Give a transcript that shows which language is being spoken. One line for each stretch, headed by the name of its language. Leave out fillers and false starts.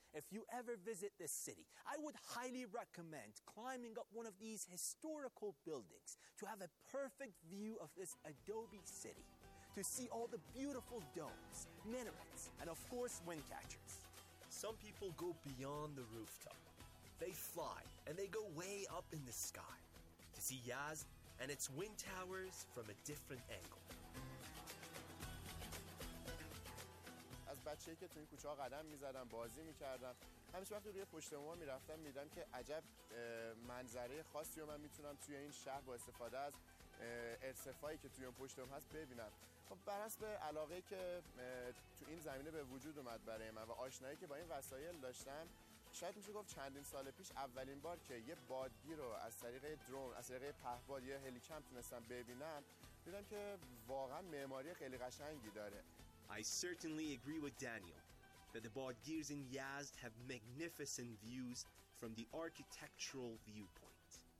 English: If you ever visit this city, I would highly recommend climbing up one of these historical buildings to have a perfect view of this adobe city, to see all the beautiful domes, minarets, and of course, wind catchers. Some people go beyond the rooftop. They fly, and they go way up in the sky to see Yazd and its wind towers from a different angle.
Persian: از بچه‌ای که تو این کوچه‌ها قدم می‌زدم، بازی می‌کردم، همیشه وقتی روی پشتمون می‌رفتم می‌دیدم که عجب منظره خاصی رو من می‌تونم توی این شهر با استفاده از ارتفاعی که توی اون پشتمون هست ببینم. خب بر حسب علاقه‌ای که تو این زمینه به وجود اومد برای من و آشنایی که با این وسایل داشتم، شاید میشه گفت چندین سال پیش اولین بار که یه بادگیر رو از طریق درون، از طریق پهپاد یا هلیکام تونستم ببینم، دیدم که واقعاً معماری خیلی قشنگی داره.
English: I certainly agree with Daniel that the Bodgirs in Yazd have magnificent views from the architectural viewpoint.